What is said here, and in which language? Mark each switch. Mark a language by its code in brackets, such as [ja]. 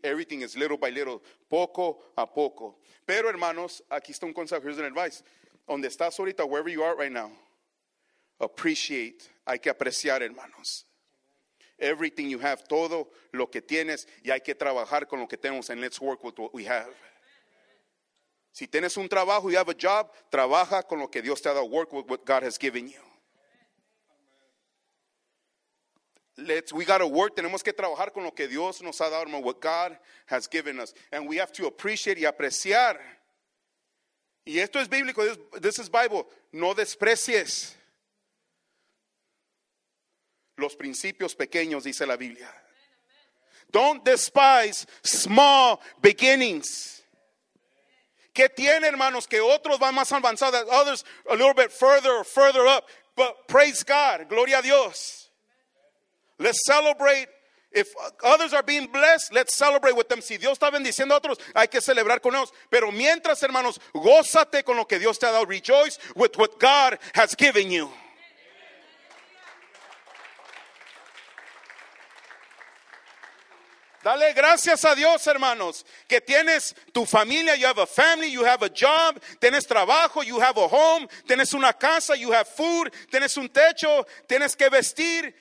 [en] Everything is little by little, [es] poco a poco. Pero hermanos, aquí está un consejo. [en] Here's an advice. [es] Donde estás ahorita, [en] wherever you are right now, appreciate. [es] Hay que apreciar, hermanos. [en] Everything you have, [es] todo lo que tienes, y hay que trabajar con lo que tenemos, [en] and let's work with what we have. [es] Si tienes un trabajo, [en] you have a job, [es] trabaja con lo que Dios te ha dado, [en] work with what God has given you. We got to work, [es] tenemos que trabajar con lo que Dios nos ha dado, [en] what God has given us. [es] And we have to appreciate y apreciar. Y esto es bíblico, [en] this is Bible, [es] no desprecies los principios pequeños, dice la Biblia. [en] Don't despise small beginnings. [es] ¿Qué tiene, hermanos? Que otros van más avanzados. [en] Others a little bit further up. But praise God. [es] Gloria a Dios. [en] Let's celebrate. If others are being blessed, let's celebrate with them. [es] Si Dios está bendiciendo a otros, hay que celebrar con ellos. Pero mientras, hermanos, gózate con lo que Dios te ha dado. [en] Rejoice with what God has given you. [es] Dale gracias a Dios, hermanos, que tienes tu familia, [en] you have a family, you have a job, [es] tienes trabajo, [en] you have a home, [es] tienes una casa, [en] you have food, [es] tienes un techo, tienes que vestir.